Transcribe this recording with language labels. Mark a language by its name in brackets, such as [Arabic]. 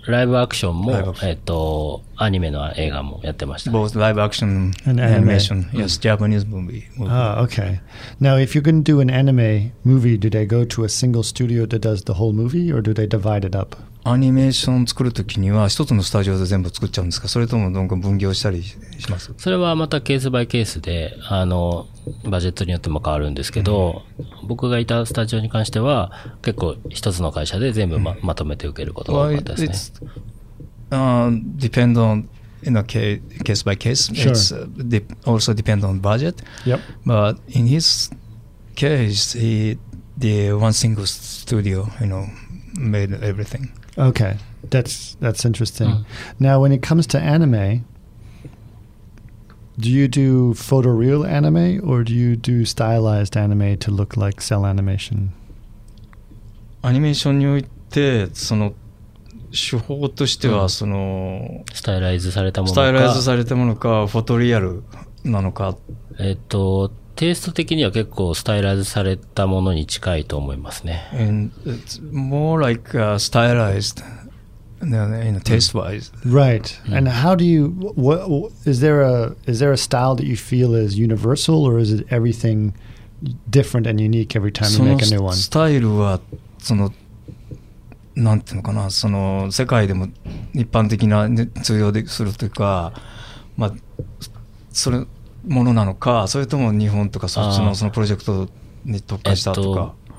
[Japanese] ライブアクションも、アニメの映画もやってました、ね、 [English] Both live action and animation. Yes, Japanese movie. Okay. Now if you can do an anime movie, do they go to a single studio that does the whole movie or do they divide it up? [Japanese] アニメーション作るときには一つのスタジオで全部作っちゃうんですか、それともどんどん分業したりします？それはまたケースバイケースで、バジェットによっても変わるんですけど、うん、僕がいたスタジオに関しては結構一つの会社で全部 まとめて受けることが多かったですね。 [English] Depend on in a case by case. Sure. It's also depend on budget. Yep. But in his case, he did one single studio, you know, made everything. Okay, that's interesting.、Mm. Now, when it comes to anime, do you do photoreal anime or do you do stylized anime to look like cell animation? [Japanese] アニメーションにおいて、その手法としては、mm. そのスタイライズされたものか、スタイライズされたものか、フォトリアルなのか。テイスト的には結構スタイライズされたものに近いと思いますね。 [English] And it's more like a stylized than in a taste wise. Right.、Mm. And how do you, is there a style that you feel is universal or is it everything different and unique every time you make a new one? [Japanese] スタイルはその、なんていうのかな、その世界でも一般的な通用するというか、まあ、それ、ものなのか、それとも日本とかそっちのそのプロジェクトに特化したとか、